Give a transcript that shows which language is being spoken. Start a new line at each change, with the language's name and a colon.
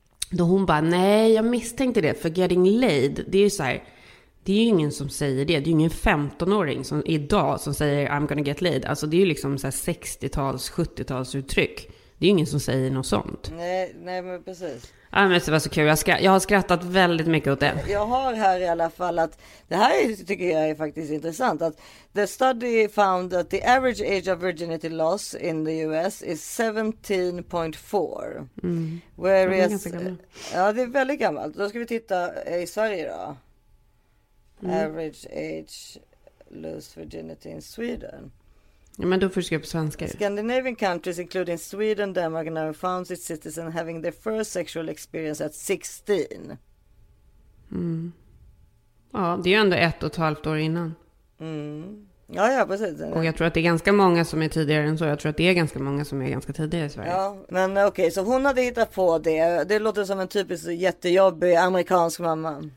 Swedish: Då hon bara, nej, jag misstänkte det. För
English: getting laid,
Swedish: det är ju så här, det är ju ingen som säger det. Det är ju ingen 15-åring som, idag som säger
English: I'm gonna get laid.
Swedish: Alltså det är ju liksom så här 60-tals, 70-tals uttryck. Det är ju ingen som säger något sånt. Nej, men precis. Ja, men det var så kul. Jag har skrattat väldigt mycket åt det. Jag har här i alla fall att det här tycker jag är faktiskt intressant.
English: Att the study found that the average age of virginity loss in the US is 17.4. Mm.
Swedish: Whereas, det är ganska gammalt. Ja, det är väldigt gammalt. Då ska vi titta i Sverige då. Mm.
English: Average age lost virginity in Sweden.
Swedish: Ja, men då får du skriva på svenska.
English: Scandinavian countries including Sweden, Denmark and Norway found its citizens having their first sexual experience at 16. Mm.
Swedish: Ja, det är ju ändå 1,5 år innan. Mm. Ja, precis. Och jag tror att det är ganska många som är tidigare än så. Jag tror att det är ganska många som är ganska tidigare i Sverige. Ja, men okej. Okay, så hon hade hittat på det. Det låter som en typisk jättejobbig amerikansk mamma.